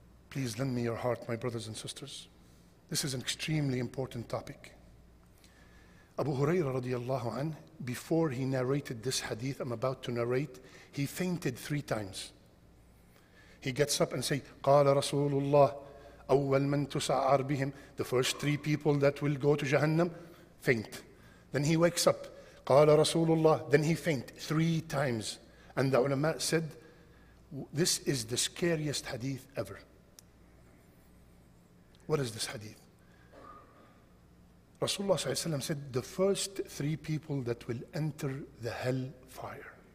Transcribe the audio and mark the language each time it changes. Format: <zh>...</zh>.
<en>Please lend me your heart, my brothers and sisters. This is an extremely important topic. Abu Huraira radiallahu anhu, before he narrated this hadith I'm about to narrate, he fainted 3 times. He gets up and say,</en> <ar>قال رسول الله أول من تسعر بهم.</ar> <en>The first 3 people that will go to Jahannam, faint. Then he wakes up.</en> <ar>قال رسول الله.</ar> <en>Then he faint 3 times. And the ulama said, this is the scariest hadith ever. What is this hadith? Rasulullah sallallahu alayhi wa sallam said, the first 3 people that will enter the hell fire.</en>